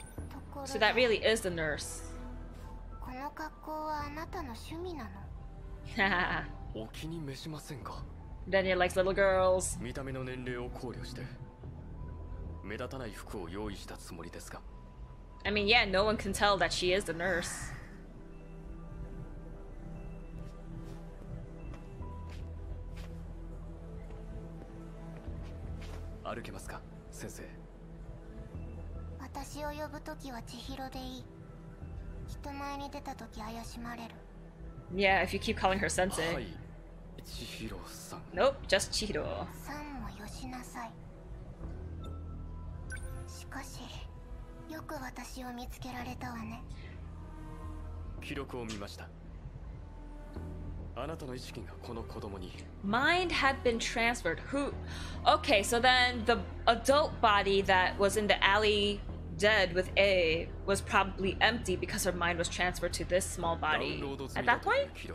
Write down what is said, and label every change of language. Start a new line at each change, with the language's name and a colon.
Japanese: ところで、
English: So that really is the nurse.
Japanese: この格好はあなたの趣味なの？お気に召しませんか？
English: Daniel likes little girls.
Japanese: 見た目の年齢を考慮して目立たない服を用意したつもりですが。
English: I mean, yeah, no one can tell that she is the nurse.
Japanese: 歩けますか、先生。私を呼ぶときは千尋でいい。人前に出たとき怪しまれる。
English: Yeah, if you keep calling her Sensei.
Japanese: はい、千尋さん。
English: Nope, just 千尋。
Japanese: さんもよしなさい。しかし、よく私を見つけられたわね。記録を見ました。あなたの意識がこの子供に。
English: Mind had been transferred. Who? Okay, so then the adult body that was in the alley dead with A was probably empty because her mind was transferred to this small body at that point?